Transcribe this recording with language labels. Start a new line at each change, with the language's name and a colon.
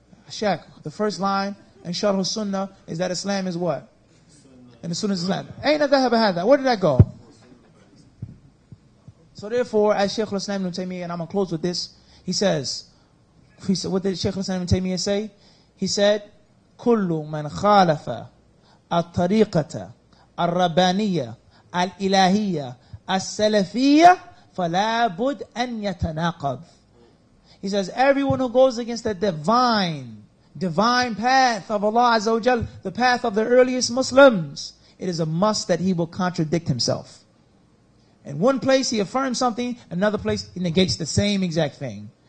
English: Shaq, the first line in Sharh Sunnah is that Islam is what? And as soon as Islam. Ain't that ever had that? Where did that go? So therefore, as Shaykh al-Islam ibn Taymiyyah, and I'm going to close with this, he said, what did Shaykh al-Islam ibn Taymiyyah say? He said,
Arabic: كُلُّ مَنْ خَالَفَ الطَّرِيقَةَ الرَّبَانِيَّةَ الْإِلَهِيَّةَ السَّلَفِيَّةَ فَلَا بُدْ أَنْ يَتَنَاقَضْ.
English: He says, everyone who goes against the divine path of Allah Azza wa Jal, the path of the earliest Muslims, it is a must that he will contradict himself. In one place he affirms something, another place he negates the same exact thing.